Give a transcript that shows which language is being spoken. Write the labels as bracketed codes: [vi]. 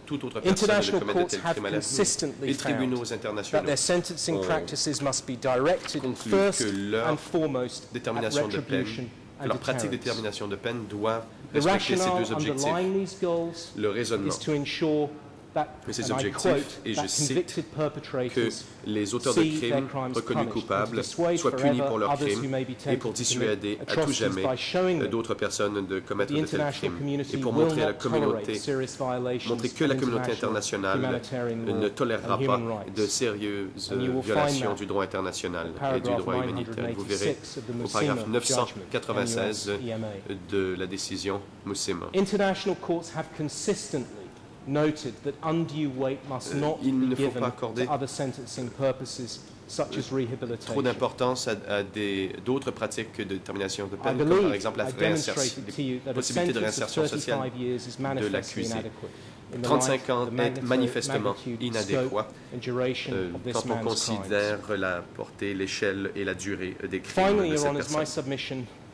[en] International courts have consistently found that their sentencing practices must be directed first and foremost at retribution and deterrence. The rationale underlying these goals is to ensure that, and I quote, that convicted perpetrators [fr] les auteurs de crimes reconnus coupables soient punis pour leurs crimes et pour dissuader à tout jamais d'autres personnes de commettre de tels crimes et pour montrer à la communauté, montrer que la communauté internationale ne tolérera pas de sérieuses violations du droit international et du droit humanitaire. Vous verrez au paragraphe 996 de la décision Moussima. [en] International courts have consistently noted that undue weight must not be given to other sentencing purposes such as rehabilitation. [fr] Trop d'importance à d'autres pratiques de détermination de peine, comme par exemple la possibilité de réinsertion sociale de l'accusé. 35 ans est manifestement inadéquat quand on considère la portée, l'échelle et la durée des crimes de cette personne.